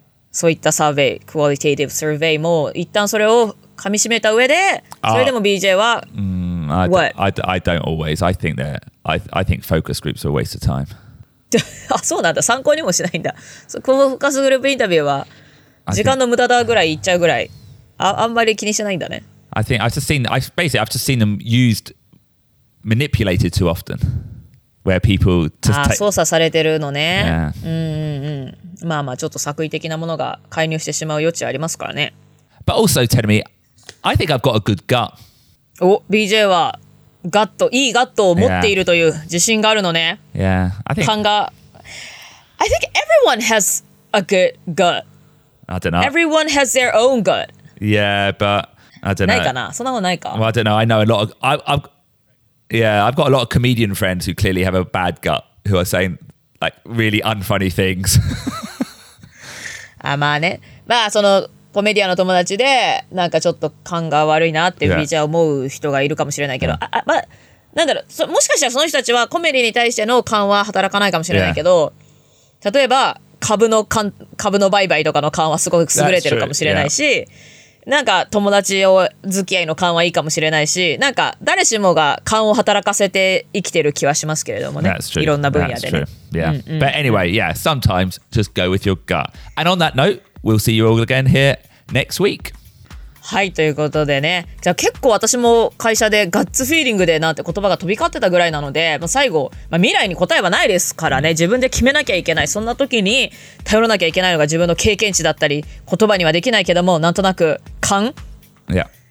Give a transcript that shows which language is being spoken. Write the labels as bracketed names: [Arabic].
[Japanese] そういったサーベイ、 [English] qualitative survey [Japanese] も一旦それを噛み締めた上で、それでも BJ は、 [English] I don't always. I think that I think focus groups are a waste of time. [Japanese] あ、そうなんだ。参考にもしないんだ。フォーカスグループインタビューは時間の無駄だぐらい言っちゃうぐらい、あんまり気にしないんだね。 [English] I think I've just seen them used, manipulated too often, where people just take. [Japanese] 操作されてるのね。 [English] Yeah. [Japanese] まあまあちょっと作為的なものが介入してしまう余地ありますからね。 [English] But also, tell me, I think I've got a good gut. [Japanese] BJ はガット、いいガットを持っているという自信があるのね。 [English] Yeah, I think. [Japanese] 感が。 [English] I think everyone has a good gut. I don't know. Everyone has their own gut. Yeah, but. I don't know. [Japanese] ないかな、そんなもんないか。 [English] Well, I don't know. I know a lot of I've got a lot of comedian friends who clearly have a bad gut who are saying like really unfunny things. [Japanese] あ、まあね。まあそのコメディアンの友達でなんかちょっと感が悪いなってビジュアル思う人がいるかもしれないけど、yeah. まあなんだろう、もしかしたらその人たちはコメディに対しての感は働かないかもしれないけど、yeah. 例えば株の売買とかの感はすごく優れてるかもしれないし。なんか友達を付き合いの感はいいかもしれないし、なんか誰しもが感を働かせて生きてる気はしますけれどもね。いろんな分野でね。 [English] That's true. Yeah. But anyway, yeah. Sometimes just go with your gut. And on that note, we'll see you all again here next week. [Japanese] はい、ということでね。じゃあ結構私も会社でガッツフィーリングでなんて言葉が飛び交ってたぐらいなので、まあ、最後、まあ、未来に答えはないですからね。自分で決めなきゃいけない。そんな時に頼らなきゃいけないのが自分の経験値だったり、言葉にはできないけども、なんとなく勘、 [English] yeah.